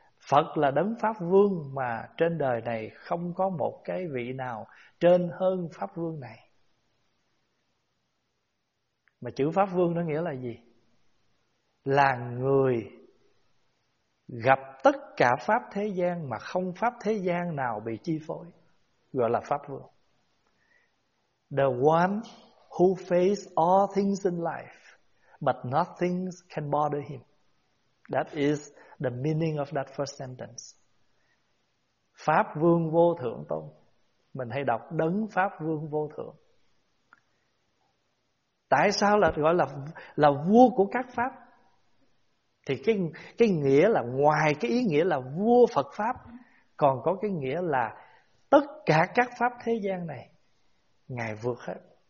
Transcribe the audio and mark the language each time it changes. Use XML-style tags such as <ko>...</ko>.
<vi>Phật là đấng Pháp Vương mà trên đời này không có một cái vị nào trên hơn Pháp Vương này. Mà chữ Pháp Vương nó nghĩa là gì? Là người gặp tất cả Pháp thế gian mà không Pháp thế gian nào bị chi phối, gọi là Pháp Vương.</vi> <en>The one who faces all things in life, but nothing can bother him. That is the meaning of that first sentence.</en> <vi>Pháp Vương Vô Thượng Tôn. Mình hay đọc đấng Pháp Vương Vô Thượng. Tại sao là gọi là vua của các pháp? Thì cái nghĩa là, ngoài cái ý nghĩa là vua Phật Pháp, còn có cái nghĩa là tất cả các pháp thế gian này Ngài vượt hết.</vi>